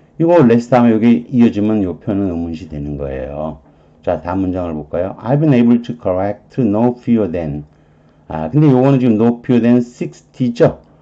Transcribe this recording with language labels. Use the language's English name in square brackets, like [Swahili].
[Korean] 이거 less 다음에 여기 이어지면 요 표현은 의문시 되는 거예요. 자, 다음 문장을 볼까요? [English] I've been able to correct no fewer than. [Korean] 아, 근데 요거는 지금 [English] no fewer than 60 [Korean] 죠?